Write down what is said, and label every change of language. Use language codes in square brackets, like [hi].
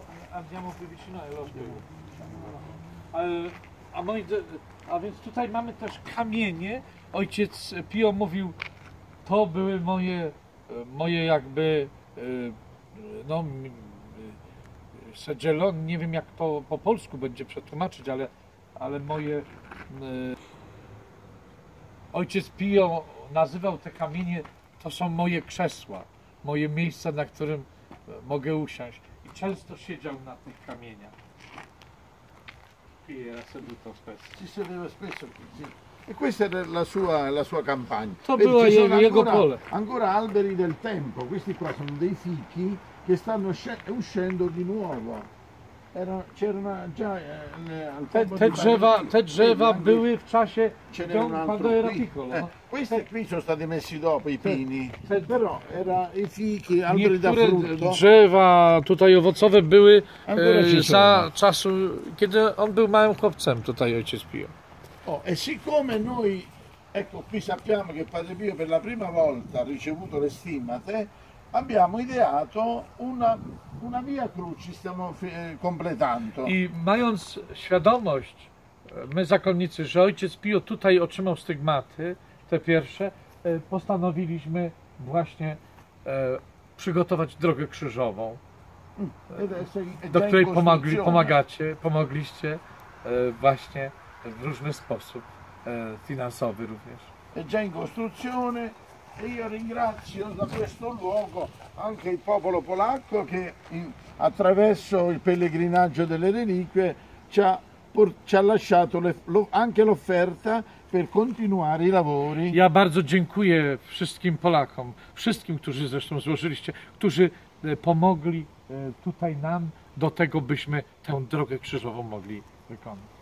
[it] Andiamo più vicino e lo spiego. [pl] A więc tutaj mamy też kamienie. Ojciec Pio mówił, to były moje, moje jakby, no, sedzielon, nie wiem jak po polsku będzie przetłumaczyć, ale, ale moje... Ojciec Pio nazywał te kamienie, to są moje krzesła, moje miejsca, na którym mogę usiąść. I często siedział na tych kamieniach. [it] Ci sedeva spesso qui. E questa era la sua campagna. [pl] To było jego pole. [it] Ancora alberi del tempo, questi qua sono dei fichi che stanno uscendo di nuovo. C'erano già [pl] te drzewa były w czasie [it] quando era piccolo. Questi qui sono stati messi dopo i pini. Però era i fichi, alberi da frutto. [pl] Drzewa tutaj owocowe były za czasu kiedy on był małym chłopcem tutaj ojciec Pio. [it] O, e siccome noi ecco qui sappiamo che padre Pio per la prima volta ha ricevuto le stimmate, abbiamo ideato una via cruci, stiamo completando. [pl] I mając świadomość, my zakonnicy, że ojciec Pio tutaj otrzymał stygmaty, te pierwsze, postanowiliśmy właśnie przygotować drogę krzyżową, do której pomogliście właśnie w różny sposób, finansowy również. [it] È già in costruzione. Io ringrazio da questo luogo anche il popolo polacco che attraverso il pellegrinaggio delle reliquie ci ha lasciato anche l'offerta per continuare i lavori. [pl] Ja bardzo dziękuję wszystkim Polakom, wszystkim, którzy zresztą złożyliście, którzy pomogli tutaj nam do tego, byśmy tę drogę krzyżową mogli wykonać.